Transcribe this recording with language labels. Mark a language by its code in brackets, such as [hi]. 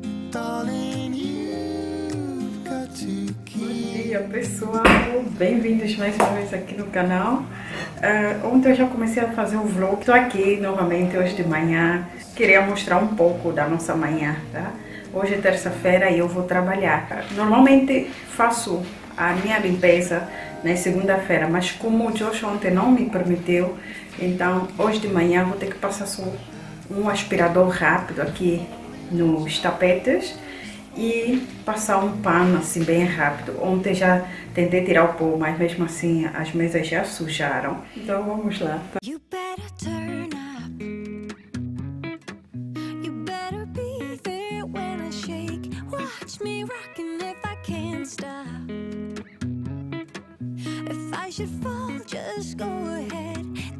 [en] darling, you've got to keep. [pt] Bom dia, pessoal, bem-vindos mais uma vez aqui no canal. Ontem eu já comecei a fazer um vlog. Estou aqui novamente hoje de manhã. Queria mostrar um pouco da nossa manhã, tá? Hoje é terça-feira e eu vou trabalhar. Normalmente faço a minha limpeza na segunda-feira, mas como o Josh ontem não me permitiu, então hoje de manhã vou ter que passar só um aspirador rápido aqui nos tapetes e passar um pano assim bem rápido. Ontem já tentei tirar o pó, mas mesmo assim as mesas já sujaram. Então vamos lá. [en] You better turn up. You better be there when I shake. Watch me rocking if I can't stop. If I should fall, just go ahead.